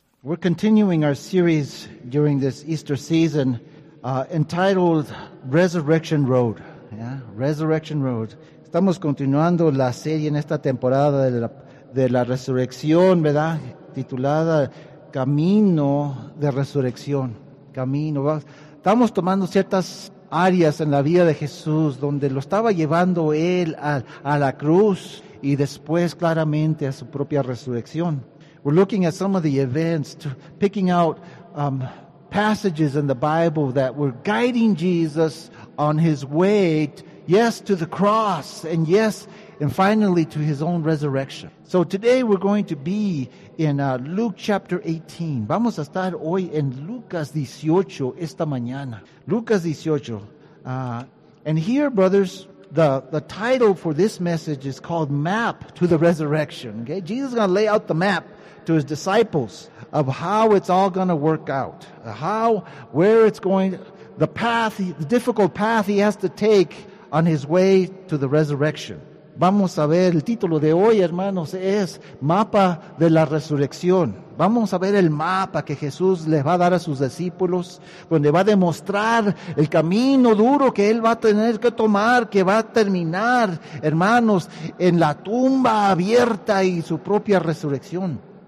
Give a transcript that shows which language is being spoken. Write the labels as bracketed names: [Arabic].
[English] We're continuing our series during this Easter season entitled Resurrection Road. Yeah? Resurrection Road. [Spanish] Estamos continuando la serie en esta temporada de la resurrección, ¿verdad? Titulada Camino de Resurrección. Camino. ¿Verdad? Estamos tomando ciertas áreas en la vida de Jesús donde lo estaba llevando Él a la cruz y después claramente a su propia resurrección. [English] We're looking at some of the events, picking out passages in the Bible that were guiding Jesus on his way, yes, to the cross, and yes, and finally to his own resurrection. So today we're going to be in Luke chapter 18. [Spanish] Vamos a estar hoy en Lucas 18 esta mañana. Lucas 18. [English] And here, brothers, the title for this message is called Map to the Resurrection. Okay? Jesus is going to lay out the map to his disciples of how it's all going to work out, the path, the difficult path he has to take on his way to the resurrection. [Spanish] Vamos a ver, el título de hoy, hermanos, es Mapa de la Resurrección. Vamos a ver el mapa que Jesús les va a dar a sus discípulos, donde va a demostrar el camino duro que él va a tener que tomar, que va a terminar, hermanos, en la tumba abierta y su propia resurrección.